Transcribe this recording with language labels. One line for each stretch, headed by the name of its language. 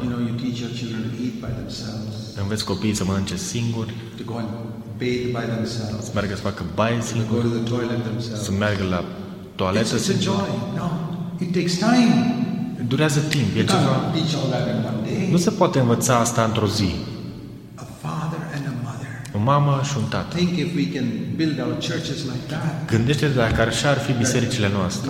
English: You know, you teach your children to eat by themselves.
Romanian: Înveți copiii să mănânce singuri.
English: To go and bathe by themselves.
Romanian: Să meargă să facă baie singuri.
English: To go to the toilet themselves.
Romanian: Să meargă la toaletă singuri.
English: It's a joy. No, it takes time.
Romanian: Durează timp.
English: You can't teach all that in one day.
Romanian: Nu se poate învăța asta într-o zi.
English: A father and a mother.
Romanian: O mamă și un tată.
English: Think if we can build our churches like that.
Romanian: Gândește-te dacă așa ar fi bisericile noastre.